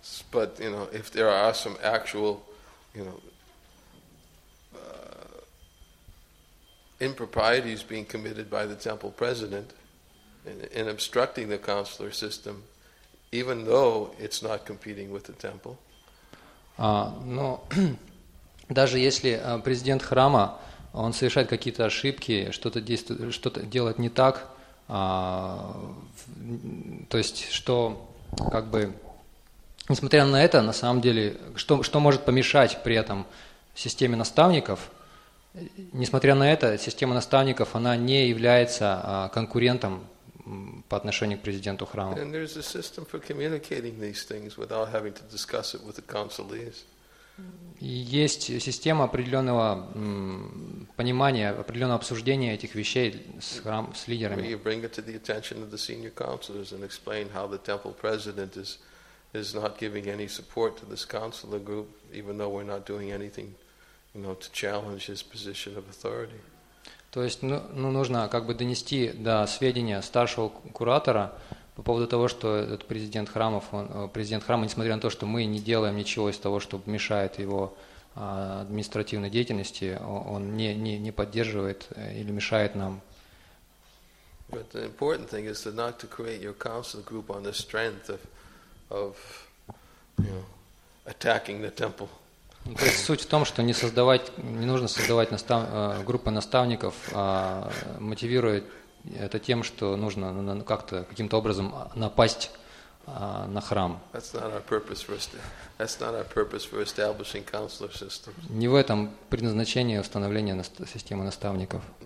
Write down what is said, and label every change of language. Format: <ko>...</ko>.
<en>But you know, if there are some actual, you know, improprieties being committed by the temple president in obstructing the consular system, even though it's not competing with the temple.</en> <ru>Но даже если президент храма он совершает какие-то ошибки, что-то делает не так, то есть что как бы. Несмотря на это, на самом деле, что может помешать при этом системе наставников? Несмотря на это, система наставников, она не является конкурентом по отношению к президенту храма.</ru> <en>And there's a system for communicating these things without having to discuss it with the counselees.</en> <ru>Есть система определенного понимания, определенного обсуждения этих вещей с лидерами.</ru> <en>You bring it to the attention of the senior counselors and explain how the temple president is not giving any support to this counselor group, even though we're not doing anything, you know, to challenge his position of authority.</en> <ru>То есть, ну, нужно как бы донести до сведения старшего куратора по поводу того, что этот президент храма, несмотря на то, что мы не делаем ничего из того, что мешает его административной деятельности, он не поддерживает или мешает нам.</ru> <en>But the important thing is not to create your counselor group on the strength of attacking the temple.</en> <ru>Суть в том, что не нужно создавать группы наставников, мотивируя это тем, что нужно как-то каким-то образом напасть на храм.</ru> <en>That's not our purpose for establishing counselor systems.</en> <ru>Не в этом предназначение установления системы наставников.</ru>